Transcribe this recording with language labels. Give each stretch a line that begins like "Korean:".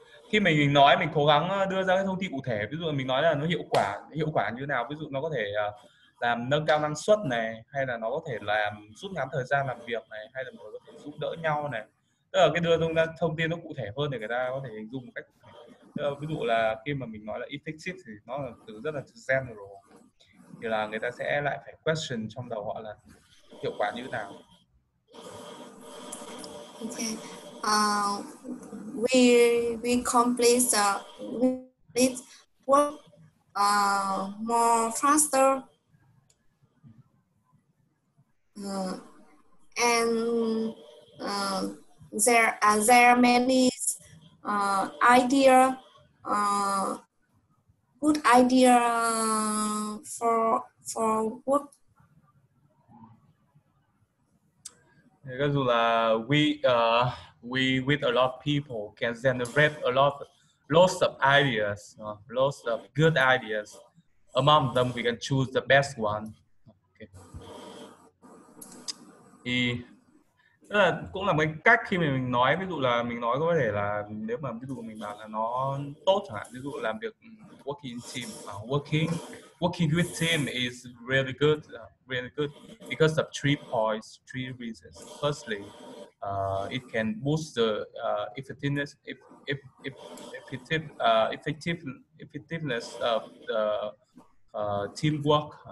Vietnamese: Khi mình nói mình cố gắng đưa ra cái thông tin cụ thể, ví dụ mình nói là nó hiệu quả như thế nào, ví dụ nó có thể làm nâng cao năng suất này, hay là nó có thể làm rút ngắn thời gian làm việc này, hay là nó có thể giúp đỡ nhau này. Tức là cái đưa ra thông tin nó cụ thể hơn để người ta có thể hình dung một cách. Tức là ví dụ là khi mà mình nói là effective thì nó là từ rất là general, thì là người ta sẽ lại phải question trong đầu họ là hiệu quả như thế nào.
English: Okay, we complete the work more faster and there are many good idea for work. Because we with a lot of people can generate a lot, lots of ideas, lots of good ideas. Among them, we can choose the best one. Okay.
Vietnamese: Thì đó là cũng là một cách khi mà mình nói, ví dụ là mình nói có thể là nếu mà ví dụ mình bảo là nó tốt chẳng hạn, ví dụ làm việc working team,
English: working with team is really good, really good because of three reasons. Firstly, it can boost the effectiveness of the teamwork.